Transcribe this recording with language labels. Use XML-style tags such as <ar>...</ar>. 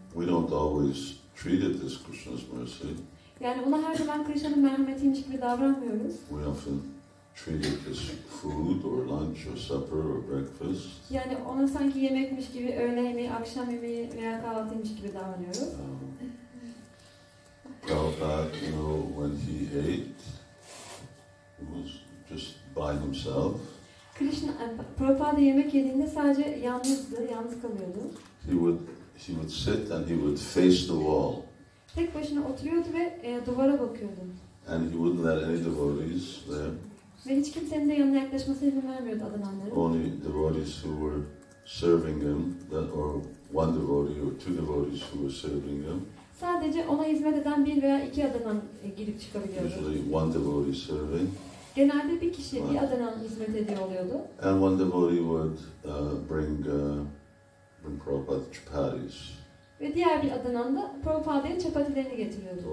<en>We don't always treat it as Krishna's mercy.</en> <tr>Yani buna her zaman Krishna'nın merhametiymiş gibi davranmıyoruz.</tr> <en>We often treat it as food or lunch or supper or breakfast.</en> <tr>Yani ona sanki yemekmiş gibi, öğle yemeği, akşam yemeği veya kahvaltıymış gibi davranıyoruz.</tr> <en>Prabhupada, you know, when he ate, he was just by himself.</en> <tr>Krishna, Prabhupada yemek yediğinde sadece yalnızdı, yalnız kalıyordu.</tr> <en>He would sit and he would face the wall.</en> <tr>Tek başına oturuyordu ve duvara bakıyordu.</tr> <en>And he wouldn't let any devotees there.</en> <tr>Ve hiç kimsenin de yanına yaklaşmasına izin vermiyordu adananların.</tr> <en>Only devotees who were serving him, that or one devotee or two devotees who were serving him.</en> <tr>Sadece ona hizmet eden bir veya iki adanan girip çıkabiliyordu.</tr> <en>Usually one devotee serving.</en> <tr>Genelde bir kişi, bir adanan hizmet ediyor oluyordu.</tr> <en>And one devotee would bring Prabhupada chapatis.</en> <tr>Ve diğer bir adanan da Prabhupada'nın çapatilerini getiriyordu.</tr>